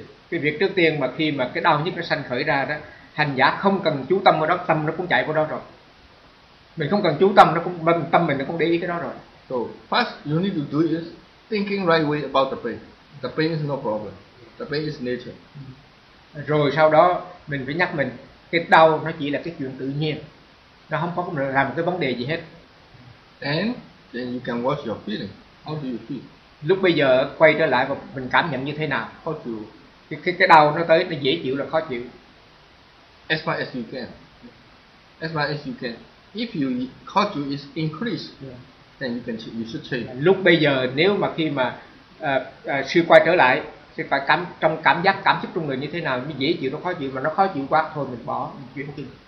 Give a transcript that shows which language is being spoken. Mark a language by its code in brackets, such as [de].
[vi] Cái việc trước tiên mà khi mà cái đau nhức nó sanh khởi ra đó, hành giả không cần chú tâm vào đó, tâm nó cũng chạy vào đó rồi. Mình không cần chú tâm, nó cũng tâm mình nó cũng để ý cái đó rồi. [en] So first you need to do is thinking right way about the pain. The pain is no problem. The pain is nature. [vi] Rồi sau đó mình phải nhắc mình cái đau nó chỉ là cái chuyện tự nhiên, nó không có làm cái vấn đề gì hết. [en] Then you can watch your feeling. How do you feel? [vi] Lúc bây giờ quay trở lại và mình cảm nhận như thế nào? Khó chịu. Cái đau nó tới nó dễ chịu là khó chịu. [en] As far as you can. As far as you can. If you [vi] khó chịu [en] is increased, then you should change. [vi] Lúc bây giờ nếu mà khi mà sư quay trở lại, sư phải cảm trong cảm giác cảm xúc trong người như thế nào, nó dễ chịu nó khó chịu, mà nó khó chịu quá thôi mình bỏ mình chuyển đi.